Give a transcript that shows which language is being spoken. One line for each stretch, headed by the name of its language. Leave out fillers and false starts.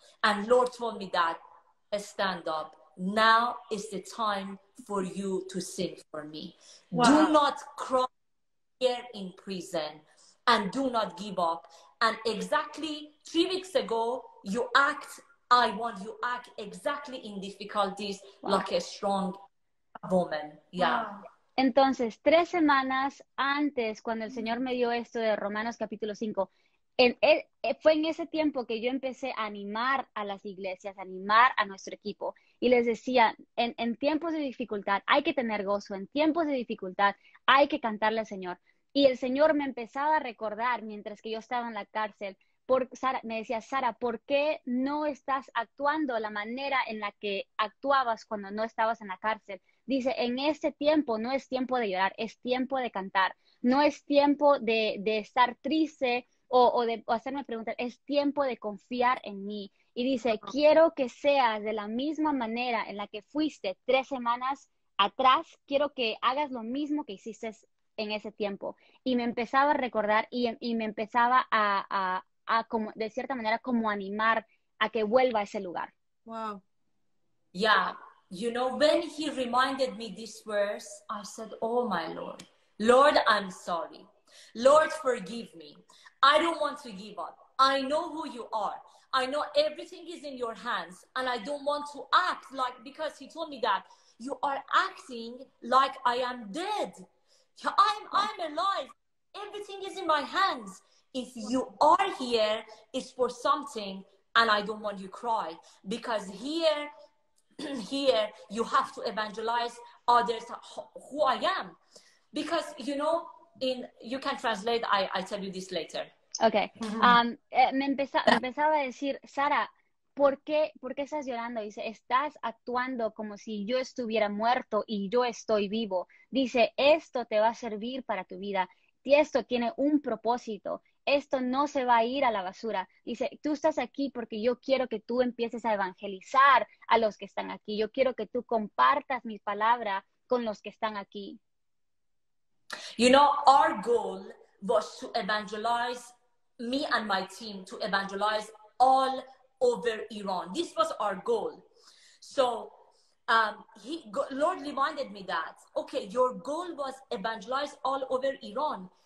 English: And Lord told me that, stand up. Now is the time for you to sing for me. Wow. Do not cry here in prison and do not give up. And exactly 3 weeks ago, you act I want you act exactly in difficulties. Wow. Like a strong woman. Yeah.
Spanish: Entonces, 3 semanas antes, cuando el Señor me dio esto de Romanos capítulo 5, fue en ese tiempo que yo empecé a animar a las iglesias, a animar a nuestro equipo. Y les decía, en tiempos de dificultad hay que tener gozo, en tiempos de dificultad hay que cantarle al Señor. Y el Señor me empezaba a recordar mientras que yo estaba en la cárcel, Sara, me decía, Sara, ¿por qué no estás actuando la manera en la que actuabas cuando no estabas en la cárcel? Dice, en este tiempo no es tiempo de llorar, es tiempo de cantar. No es tiempo de estar triste o hacerme preguntar, es tiempo de confiar en mí. Y dice, quiero que seas de la misma manera en la que fuiste 3 semanas atrás, quiero que hagas lo mismo que hiciste en ese tiempo. Y me empezaba a recordar y me empezaba a como, de cierta manera, como animar a que vuelva a ese lugar.
English: Wow. Yeah. You know, when he reminded me this verse, I said, oh, my Lord. Lord, I'm sorry. Lord, forgive me. I don't want to give up. I know who you are. I know everything is in your hands. And I don't want to act like, because he told me that, you are acting like I am dead. I'm alive. Everything is in my hands. If you are here, it's for something. and I don't want you to cry, because here, here you have to evangelize others who I am, because you know, in you can translate. I tell you this later. Okay. Mm-hmm.
Spanish: Me empezaba a decir, Sara, ¿por qué estás llorando? Dice, estás actuando como si yo estuviera muerto y yo estoy vivo. Dice, esto te va a servir para tu vida. Y esto tiene un propósito. Esto no se va a ir a la basura. Dice, tú estás aquí porque yo quiero que tú empieces a evangelizar a los que están aquí. Yo quiero que tú compartas mi palabra con los que están aquí.
English: You know, our goal was to evangelize, me and my team, to evangelize all over Iran. This was our goal. So, Lord reminded me that, okay, your goal was evangelize all over Iran.